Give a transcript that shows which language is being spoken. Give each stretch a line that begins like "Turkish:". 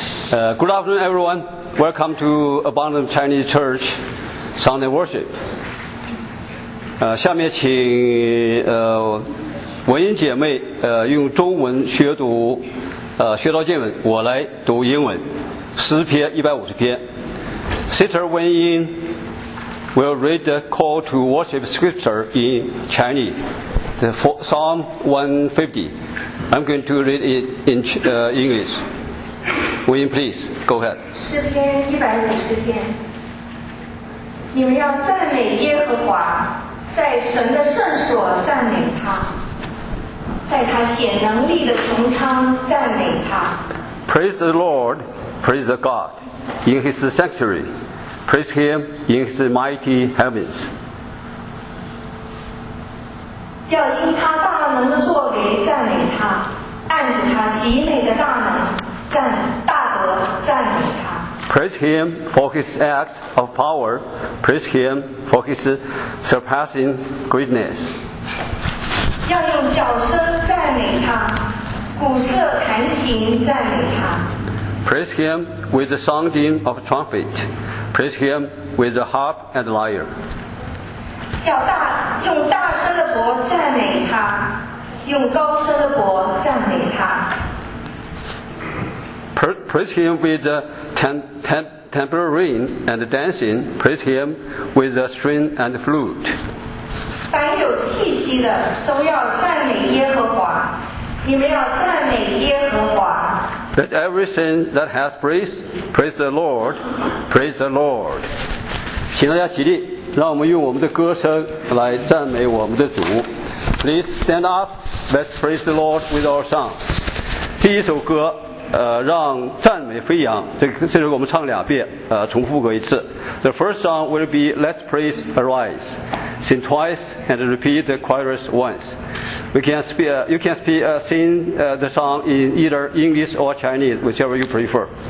English: Good afternoon everyone, welcome to Abundant Chinese Church Sunday Worship。
Chinese: 下面请文英姐妹用中文学读学道见闻，我来读英文。诗篇150篇，
English: Sister 文英We'll read the call to worship scripture in Chinese, the Psalm 150. I'm going to read it in English. Wayne, please, go ahead.
Chinese: 诗篇一百五十篇，你们要赞美耶和华，在神的圣所赞美他，在他显能力的穹苍赞美他。
English: Praise the Lord, praise the God in His sanctuary. Praise Him in His mighty heavens.
Chinese: 要因他大能的作为赞美他，按着他极美的大能赞大德赞美他。
English: Praise Him for His acts of power. Praise Him for His surpassing greatness.
Chinese: 要用角声赞美他，鼓瑟弹琴赞美他。
English: Praise Him with the sounding of trumpet. Praise Him with the harp and lyre.
Chinese: 要大用大声的钹赞美他，用高声的钹赞美他。
English: Praise Him with the tambourine and dancing. Praise Him with the string and flute.
Chinese: 凡有气息的都要赞美耶和华，你们要赞美耶和华。
English: Let everything that has breath praise the Lord, praise the Lord.
Chinese: 请大家起立，让我们用我们的歌声来赞美我们的主。
English: Please stand up, let's praise the Lord with our song.
Chinese: 第一首歌，让赞美飞扬。这首歌我们唱两遍，重复过一次。
English: The first song will be Let's Praise Arise. Sing twice and repeat the chorus once. You can sing the song in either English or Chinese, whichever you prefer.